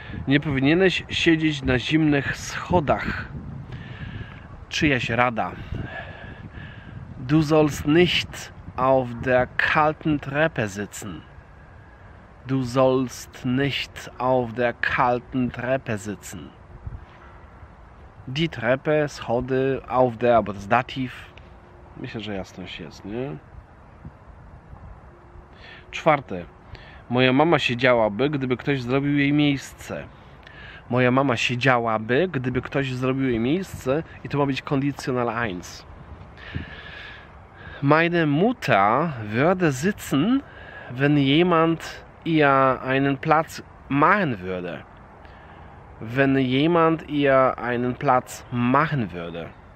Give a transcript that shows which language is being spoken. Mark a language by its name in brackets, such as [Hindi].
[Polish] Nie powinieneś siedzieć na zimnych schodach. Czyjaś rada? [German] Du sollst nicht auf der kalten Treppe sitzen. Du sollst nicht auf der kalten Treppe sitzen. Die Treppe, [Polish] schody, [German] auf der, [Polish] bo to jest dativ. Myślę, że jasność jest, nie? Czwarte. Moja mama siedziałaby, gdyby ktoś zrobił jej miejsce. Moja mama siedziałaby, gdyby ktoś zrobił jej miejsce. I to ma być kondicjonal 1. [German] Meine Mutter würde sitzen, wenn jemand ihr einen Platz machen würde. Wenn jemand ihr einen Platz machen würde.